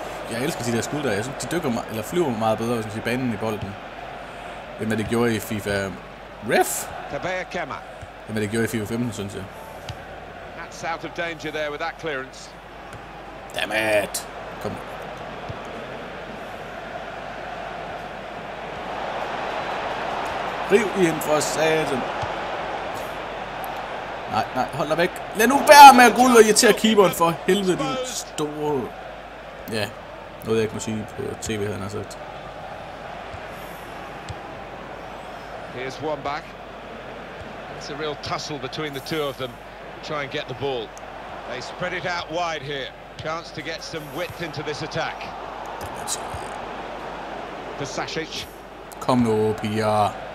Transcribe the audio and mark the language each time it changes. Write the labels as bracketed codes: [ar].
[da] Jeg elsker de der skuldre. Jeg synes, de dykker meget, eller flyver meget bedre, hvis man siger, banen i bolden. Hvem er det gjorde i FIFA? Ref? Tabea Kemmer. Hvem er det gjorde i FIFA 15, synes jeg. [en] That's out of danger there with that clearance. Damn it! [da] Kom. Riv i hende for satan. Nej, nej, hold dig væk. Lad nu være med at gå ud og irritere keeperen for helvede, din store... Ja, noget jeg ikke må sige på TV, havde han sagt. [en] Here's one back. It's a real tussle between the two of them. Try and get the ball. They spread it out wide here. Chance to get some width into this attack. Vasasic. [da] Kom nu, Pia.